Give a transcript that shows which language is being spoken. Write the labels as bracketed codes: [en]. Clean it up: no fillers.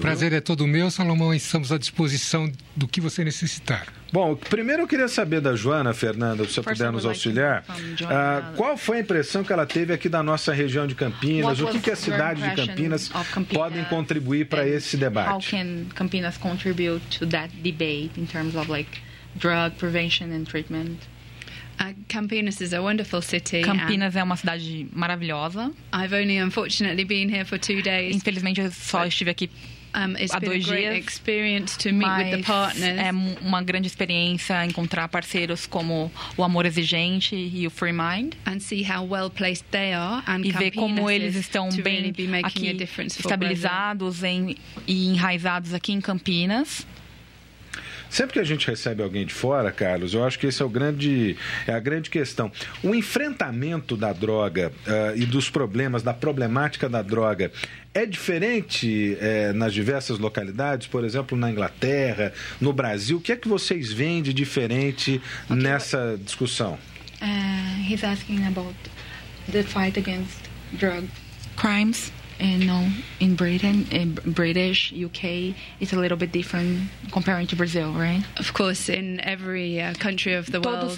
[pt] Prazer é todo meu, Salomão, estamos à disposição do que você necessitar. Bom, primeiro eu queria saber da Joanna, Fernanda, se você puder nos auxiliar. Qual foi a impressão que ela teve aqui da nossa região de Campinas? O que que a cidade de Campinas podem contribuir para esse debate? [en] How can Campinas contribute to that debate in terms of like drug prevention and treatment? Campinas is a wonderful city. [pt] Campinas é uma cidade maravilhosa. [en] I've only unfortunately been here for 2 days. [pt] Infelizmente eu só estive aqui [en] It's been a great experience to meet with the partners. [pt] É uma grande experiência encontrar parceiros como o Amor Exigente e o Free Mind. [en] And see how well placed they are and [pt] e ver como eles estão bem aqui, estabilizados e enraizados aqui em Campinas. Sempre que a gente recebe alguém de fora, Carlos, eu acho que esse é a grande questão. O enfrentamento da droga e dos problemas, da problemática da droga, é diferente nas diversas localidades? Por exemplo, na Inglaterra, no Brasil, o que é que vocês veem de diferente nessa discussão? [en] He's asking about the fight against drug crimes. In Britain, in British, UK, it's a little bit different comparing to Brazil, right? Of course, in every country of the world,